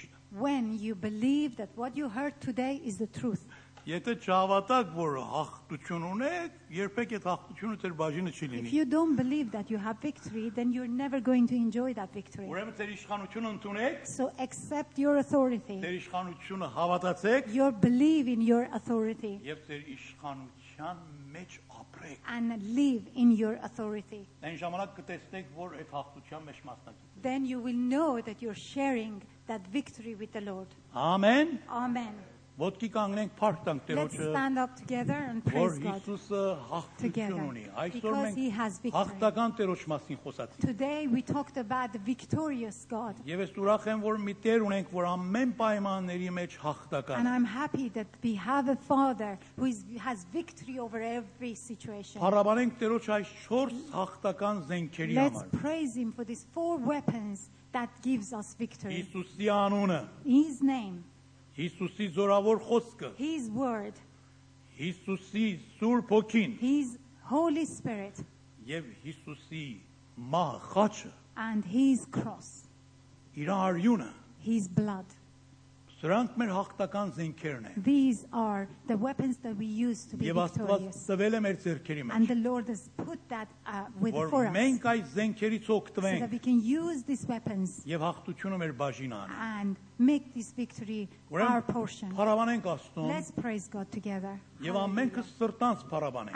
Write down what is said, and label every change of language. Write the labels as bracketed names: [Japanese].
[English] When you believe that what you heard today is the truth. [Armenian] Եթե չհավատաք, որ հաղթություն ունեք, երբեք այդ հաղթությունը ձեր բաժինը չի լինի։ [English] If you don't believe that you have victory, then you're never going to enjoy that victory. [Armenian] Ուրեմն ձեր իշխանությունը ընդունեք։ [English] So accept your authority. [Armenian] Ձեր իշխանությունը հավատացեք։ [English] You believe in your authority. [Armenian] Եվ ձեր իշխանության մեջ ապրեք։ [English] And live in your authority. [Armenian] Այն ժամանակ կտեսնեք, որ այդ հաղթության մեջ մասնակցեք։ [English] Then you will know that you're sharing that victory with the Lord. Amen. Amen. [Armenian] Ոտքի կանգնենք, փառք տանք Տերոջը։ [English] Let's stand up together and praise God. [Armenian] Որ Հիսուսը հաղթություն ունի։ Այսօր մենք հաղթական Տերոջ մասին խոսացինք։ [English] Today we talked about the victorious God. [Armenian] Եվ ես ուրախ եմ, որ մի Տեր ունենք, որ ամեն պայմանների մեջ հաղթական է։ [English] And I'm happy that we have a Father who has victory over every situation. [Armenian] Փառաբանենք Տերոջ այս 4 հաղթական զենքերի համար։ [English] Let's praise him for these 4 weapons that gives us victory. [Armenian] Հիսուսի անունը։ [English] His name. [Armenian] Հիսուսի զորավոր խոսքը [English] His word [Armenian] Հիսուսի Սուրբ Հոգին [English] His Holy Spirit [Armenian] եւ Հիսուսի մահ խաչը [English] And His cross [Armenian] Իր արյունը [English] His blood [Armenian] Սրանք մեր հաղթական զինքերն են։ [English] These are the weapons that we use to be victorious. And the Lord has put that for us. [Armenian] Որ մենք այս զենքերից օգտվենք։ [English] So that we can use these weapons. [Armenian] Եվ հաղթությունը մեր բաժին անի։ [English] And make this victory our portion. [Armenian] Փառաբանենք Աստծուն։ [English] Let's praise God together. [Armenian] Եվ ամենքս սրտանս փառաբանենք։